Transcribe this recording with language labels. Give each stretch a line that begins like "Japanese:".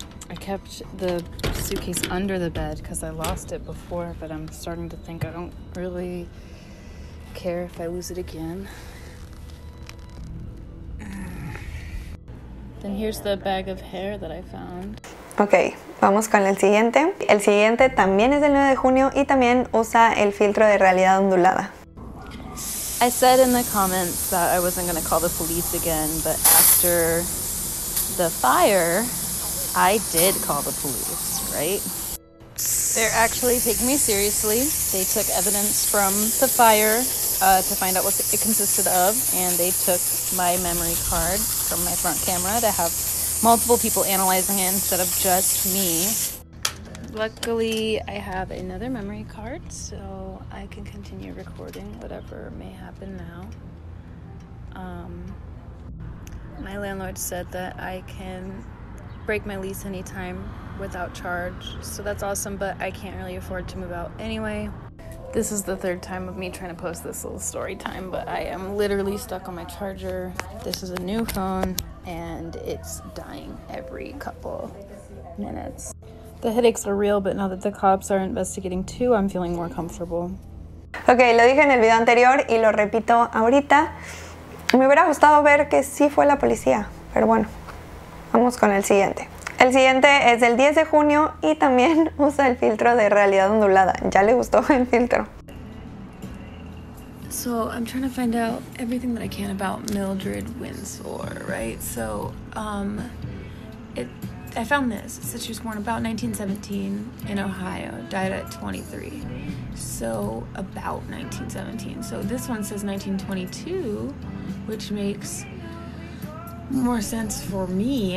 English: I kept the suitcase under the bed because I lost it before, but I'm starting to think I don't really care if I lose it again. Then here's the bag of hair that I found.
Spanish: Okay, vamos con el siguiente. El siguiente también es del 9 de junio y también usa el filtro de realidad ondulada.
English: I said in the comments that I wasn't going to call the police again, but after the fire, I did call the police, right? They're actually taking me seriously. They took evidence from the fire to find out what it consisted of, and they took my memory card from my front camera to have multiple people analyzing it instead of just me. Luckily, I have another memory card, so I can continue recording whatever may happen now. My landlord said that I can break my lease anytime without charge, so that's awesome, but I can't really afford to move out anyway. This is the third time of me trying to post this little story time, but I am literally stuck on my charger. This is a new phone, and it's dying every couple minutes. The headaches are real, but now that the cops are investigating too, I'm feeling more comfortable.
Spanish: Okay, lo dije en el video anterior y lo repito ahorita. Me hubiera gustado ver que sí fue la policía, pero bueno, vamos con el siguiente. El siguiente es del 10 de junio y también usa el filtro de realidad ondulada. Ya le gustó el filtro.
English: So, I'm trying to find out everything that I can about Mildred Winsor, right? So, I found this. It says she was born about 1917 in Ohio, died at 23. So, about 1917. So, this one says 1922, which makes more sense for me.